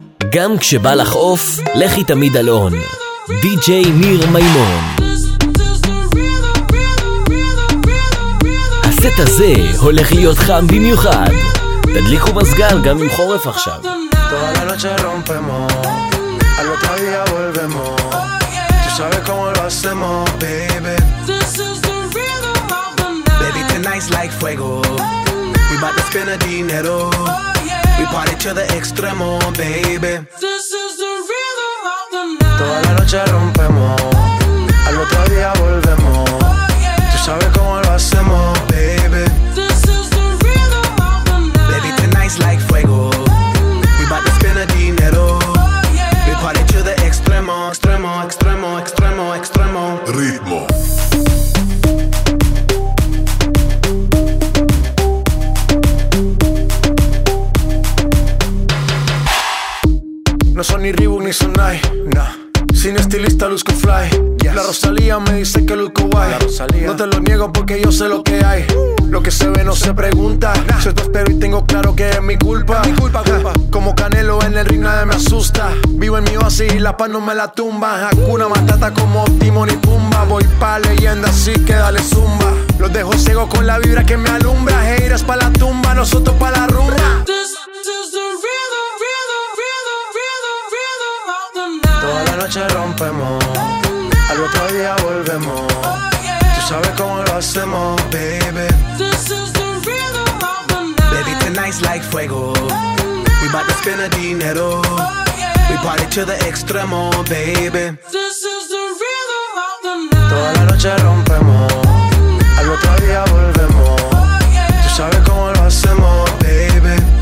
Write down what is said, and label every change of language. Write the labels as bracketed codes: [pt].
[he] גם כשבא לך אוף, לכי תמיד אלון. די-ג'יי ניר מימון. הסט הזה הולך להיות חם במיוחד. תדליקו מזגן גם עם חורף עכשיו. [es] Toda la noche rompemos, al otro día volvemos. Tú sabes cómo lo hacemos, baby. [en] This is the rhythm of the night. Baby, tonight's like fuego. We about to spend a dinero. We party to the extremo, baby. This is the rhythm of the night. [es] Toda la noche rompemos, al otro día volvemos. Tú sabes cómo lo hacemos, baby. [en] This is the rhythm of the night. Baby, tonight's like fuego. We about to spend the dinero. We party to the extremo, extremo, extremo, extremo, extremo. [es] Ritmo. No son ni Reebok ni Sonai, no. Sin estilista luzco fly, yes. La Rosalía me dice que luzco guay. No te lo niego porque yo sé lo que hay. Lo que se ve no se pregunta, nah. Yo te espero y tengo claro que es mi culpa, es mi culpa, culpa. Como Canelo en el ring nada me asusta. Vivo en mi oasis y la paz no me la tumba. Hakuna Matata como Timón y Pumba. Voy pa' leyenda así que dale zumba. Los dejo ciego con la vibra que me alumbra. Haters pa' la tumba, nosotros pa' la rumba. Toda la noche rompemos, al otro día volvemos. Tú sabes cómo lo hacemos, baby. [en] This is the rhythm of the night. Baby, tonight's like fuego. We about to spend the dinero. We party to the extremo, baby. This is the rhythm of the night. [es] Toda la noche rompemos, al otro día volvemos. Tú sabes cómo lo hacemos, baby.